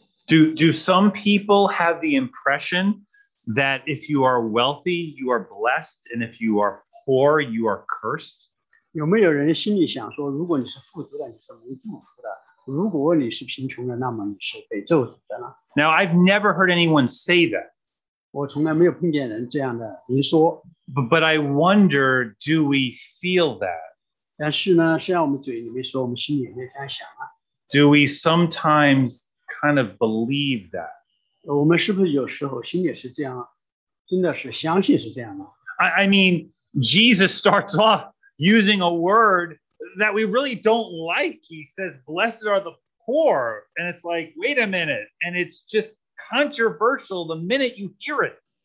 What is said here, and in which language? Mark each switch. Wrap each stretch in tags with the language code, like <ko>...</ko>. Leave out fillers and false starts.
<en>Do some people have the impression that if you are wealthy, you are blessed, and if you are poor, you are cursed?</en> <zh>有没有人心里想说，如果你是富足的，你是蒙祝福的？</zh> <en>Now, I've never heard anyone say that. But I wonder, do we feel that?</en> <zh>但是呢,现在我们嘴里面说,我们心里面在想啊,</zh> <en>do we sometimes kind of believe that?</en> <zh>我们是不是有时候心里是这样,真的是相信是这样吗?</zh> <en>I mean, Jesus starts off using a word that we really don't like. He says, blessed are the poor. And it's like, wait a minute. And it's just controversial the minute you hear it.</en>